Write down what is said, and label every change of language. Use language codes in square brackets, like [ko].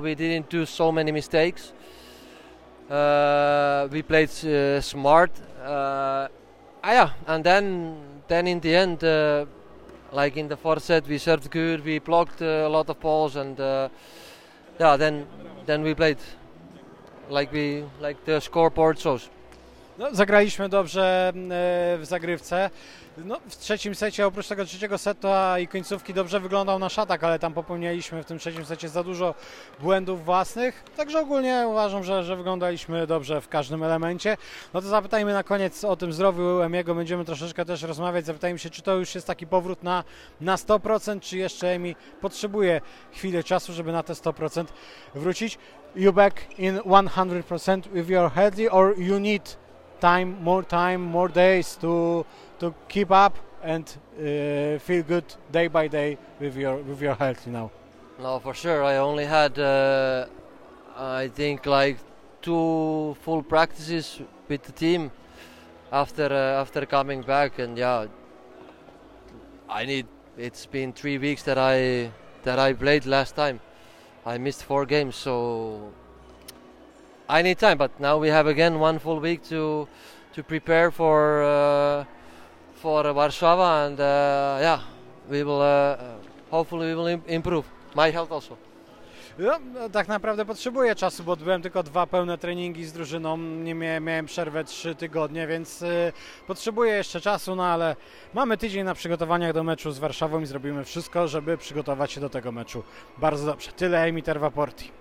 [en] We didn't do so many mistakes. We played smart, yeah, and then in the end, like in the fourth set, we served good, we blocked a lot of balls, and yeah, then we played like the scoreboard shows. [pl] No, zagraliśmy dobrze w zagrywce. No, w trzecim secie, oprócz tego trzeciego setu i końcówki, dobrze wyglądał nasz atak, ale tam popełnialiśmy w tym trzecim secie za dużo błędów własnych. Także ogólnie uważam, że wyglądaliśmy dobrze w każdym elemencie. No to zapytajmy na koniec o tym zdrowiu Emiego. Będziemy troszeczkę też rozmawiać. Zapytajmy się, czy to już jest taki powrót na 100%, czy jeszcze Emi potrzebuje chwilę czasu, żeby na te 100% wrócić. [en] You back in 100% with your Hetley, or you need time, more time, more days to keep up and feel good day by day with your health now? No, for sure. I only had I think like 2 full practices with the team after coming back, and yeah, it's been 3 weeks that I played last time. I missed 4 games, so I need time, but now we have again 1 full week to prepare for Warszawa, and yeah, we will hopefully we will improve my health also. [pl] No, tak naprawdę potrzebuję czasu, bo odbyłem tylko 2 pełne treningi z drużyną, nie miałem przerwę 3 tygodnie, więc potrzebuję jeszcze czasu, no ale mamy tydzień na przygotowaniach do meczu z Warszawą i zrobimy wszystko, żeby przygotować się do tego meczu bardzo dobrze. Tyle Emiter Vaporty.